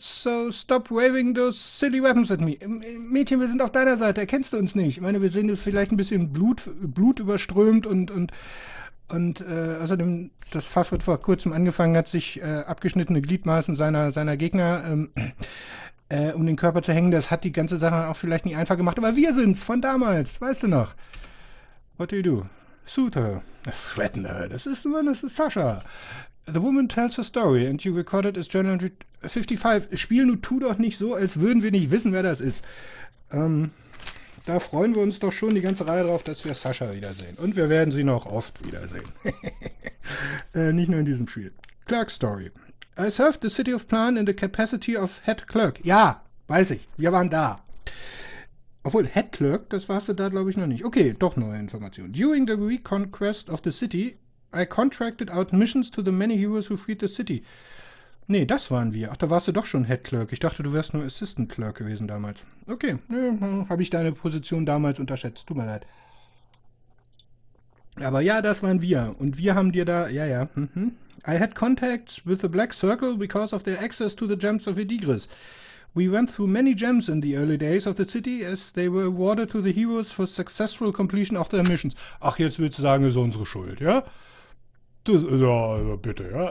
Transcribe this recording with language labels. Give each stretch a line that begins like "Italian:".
English: So stop waving those silly weapons at me.
German: Mädchen, wir sind auf deiner Seite. Erkennst du uns nicht? Ich meine, wir sehen vielleicht ein bisschen Blut überströmt und außerdem, dass Fafrit vor kurzem angefangen hat, sich abgeschnittene Gliedmaßen seiner Gegner um den Körper zu hängen, das hat die ganze Sache auch vielleicht nicht einfach gemacht. Aber wir sind's von damals, weißt du noch?
English: What do you do? Suit her. Threaten her.
German: Das ist Sascha.
English: The woman tells her story and you recorded as journal 55.
German: Spiel, nur tu doch nicht so, als würden wir nicht wissen, wer das ist. Da freuen wir uns doch schon die ganze Reihe drauf, dass wir Sascha wiedersehen. Und wir werden sie noch oft wiedersehen. nicht nur in diesem Spiel. Clerk Story.
English: I served the City of Plan in the capacity of Head Clerk.
German: Ja, weiß ich. Wir waren da. Obwohl, Head Clerk, das warst du da, glaube ich, noch nicht. Okay, doch neue Informationen.
English: During the reconquest of the city, I contracted out missions to the many heroes who freed the city.
German: Nee, das waren wir. Ach, da warst du doch schon Head Clerk. Ich dachte, du wärst nur Assistant Clerk gewesen damals. Okay, habe ich deine Position damals unterschätzt. Tut mir leid. Aber ja, das waren wir. Und wir haben dir da. Ja.
English: I had contacts with the Black Circle because of their access to the Gems of Idigris. We went through many gems in the early days of the city, as they were awarded to the heroes for successful completion of their missions.
German: Ach, jetzt willst du sagen, es ist unsere Schuld, ja? Das, ja, bitte, ja.